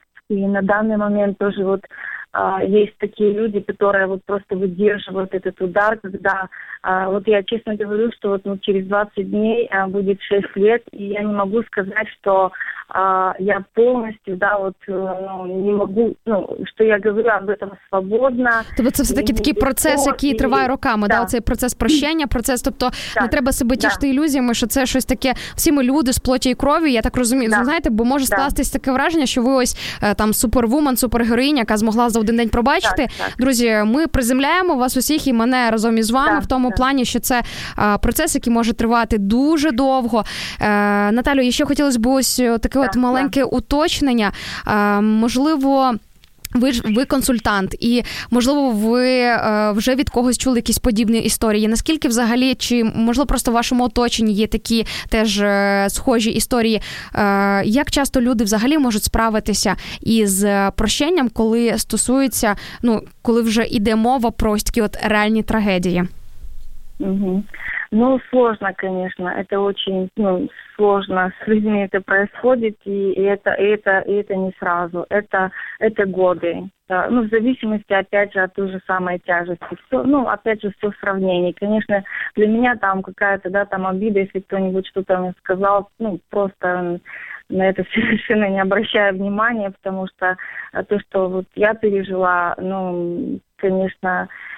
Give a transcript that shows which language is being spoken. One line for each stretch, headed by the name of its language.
Russian: И на данный момент тоже вот есть такие люди, которые вот просто выдерживают этот удар, когда вот я честно говорю, что вот, ну, через 20 дней будет 6 лет, и я не могу сказать, что я полностью, да, вот не могу, ну, что я говорю об этом свободно.
Ukrainian: Тобто це все-таки такий процес, який триває роками, да, цей процес прощення, процес, тобто не треба себе тішити ілюзіями, що це щось таке, всі ми люди з плоті і крові, я так розумію, знаєте, бо може скластись таке враження, що ви ось там супервумен, супергероїня, яка змогла за один день пробачити. Друзі, ми приземляємо вас усіх і мене разом із вами в тому плані, що це процес, який може тривати дуже довго. Наталю, ще хотілося б ось таке от маленьке уточнення. Можливо, ви консультант, і, можливо, ви вже від когось чули якісь подібні історії. Наскільки взагалі, чи, можливо, просто в вашому оточенні є такі теж схожі історії? Як часто люди взагалі можуть справитися із прощенням, коли стосується, ну, коли вже йде мова про ось такі от реальні трагедії?
Russian: Ну, сложно, конечно, это очень, ну, сложно с людьми это происходит, и это не сразу, это годы, да. Ну, в зависимости, опять же, от той же самой тяжести, все, ну, опять же, все в сравнении, конечно, для меня там какая-то, да, там обида, если кто-нибудь что-то мне сказал, ну, просто на это совершенно не обращаю внимания, потому что то, что вот я пережила, ну, конечно...